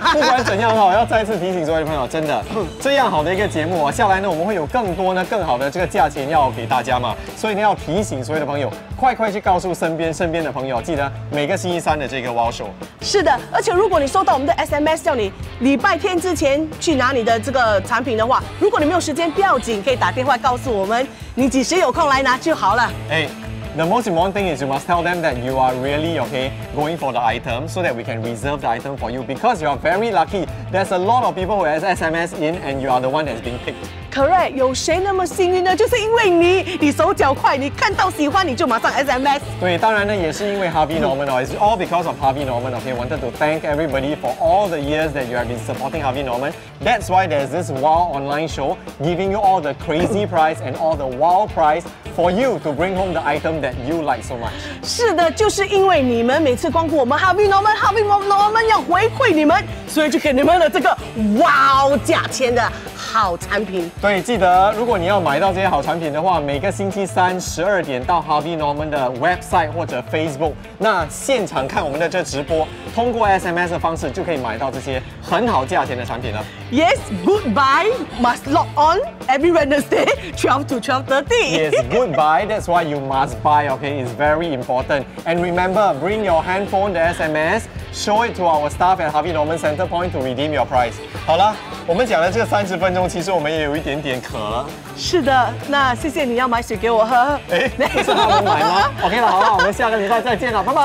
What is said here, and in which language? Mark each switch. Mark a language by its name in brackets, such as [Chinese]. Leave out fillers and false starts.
[Chinese] 不管怎样，要再次提醒所有朋友，真的这样好的一个节目下来呢，我们会有更多呢更好的这个价钱要给大家嘛，所以呢要提醒所有的朋友快快去告诉身边的朋友，记得每个星期三的这个 wow show。是的，而且如果你收到我们的 SMS 叫你礼拜天之前去拿你的这个产品的话，如果你没有时间不要紧，可以打电话告诉我们你几时有空来拿就好了。 [English] The most important thing is you must tell them that you are really okay going for the item so that we can reserve the item for you, because you are very lucky. There's a lot of people who has SMS in and you are the one that's being picked. Correct. [Chinese] 有谁那么幸运呢？就是因为你，你手脚快，你看到喜欢你就马上 SMS. 对，当然呢也是因为 [English] Harvey Norman. It's all because of Harvey Norman. Okay, wanted to thank everybody for all the years that you have been supporting Harvey Norman. That's why there's this wow online show giving you all the crazy price and all the wow price for you to bring home the item. That you like so much. [Chinese] 是的，就是因为你们每次光顾我们 Harvey Norman， Harvey Norman 要回馈你们，所以就给你们了这个哇价钱的好产品。对，记得如果你要买到这些好产品的话，每个星期三12点到 Harvey Norman 的 website 或者 Facebook， 那现场看我们的这直播，通过 SMS 的方式就可以买到这些很好价钱的产品了。 [English] Yes, goodbye must log on every Wednesday 12 to 12:30. Yes, goodbye. That's why you must buy. Okay, it's very important. And remember, bring your handphone, the SMS. Show it to our staff at Harvey Norman Center Point to redeem your price. [Chinese] 好了，我们讲了这30分钟，其实我们也有一点点渴了。是的，那谢谢你要买水给我喝。哎，不是让我买吗？OK 了，好了，我们下个礼拜再见了，拜拜。